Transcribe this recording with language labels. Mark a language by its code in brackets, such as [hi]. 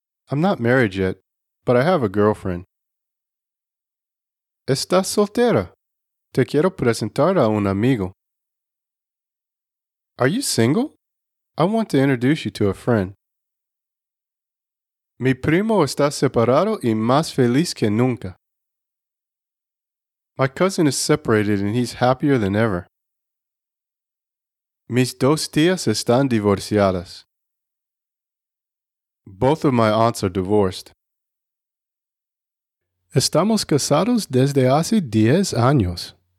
[en] I'm not married yet, but I have a girlfriend. [es] ¿Estás soltera? Te quiero presentar a un amigo. [en] Are you single? I want to introduce you to a friend. [es] Mi primo está separado y más feliz que nunca. [en] My cousin is separated and he's happier than ever. [es] Mis dos tías están divorciadas. [en] Both of my aunts are divorced. [es] Estamos casados desde hace 10 años.